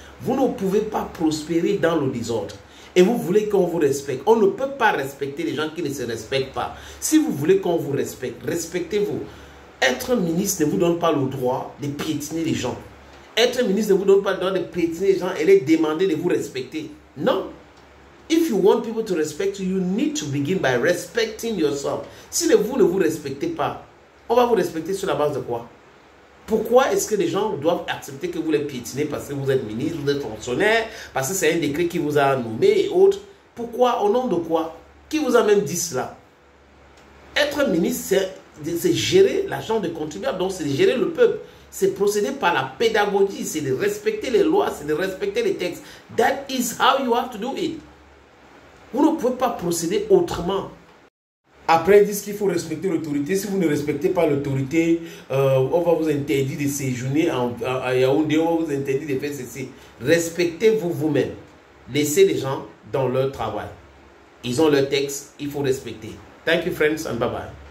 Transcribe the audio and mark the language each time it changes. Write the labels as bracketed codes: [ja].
[fr] Vous ne pouvez pas prospérer dans le désordre. Et vous voulez qu'on vous respecte. On ne peut pas respecter les gens qui ne se respectent pas. Si vous voulez qu'on vous respecte, respectez-vous. Être ministre ne vous donne pas le droit de piétiner les gens. Être ministre ne vous donne pas le droit de piétiner les gens et les demander de vous respecter. Non. [en] If you want people to respect you, you need to begin by respecting yourself. [fr] Si vous ne vous respectez pas, on va vous respecter sur la base de quoi? Pourquoi est-ce que les gens doivent accepter que vous les piétinez parce que vous êtes ministre, vous êtes fonctionnaire, parce que c'est un décret qui vous a nommé et autres? Pourquoi? Au nom de quoi? Qui vous a même dit cela? Être ministre, c'est gérer l'argent des contribuables, donc c'est gérer le peuple. C'est procéder par la pédagogie, c'est de respecter les lois, c'est de respecter les textes. [en] That is how you have to do it. [fr] Vous ne pouvez pas procéder autrement. Après, ils disent qu'il faut respecter l'autorité. Si vous ne respectez pas l'autorité, on va vous interdire de séjourner à Yaoundé, on va vous interdire de faire ceci. Respectez-vous vous-même. Laissez les gens dans leur travail. Ils ont leur texte, il faut respecter. [en] Thank you, friends, and bye-bye.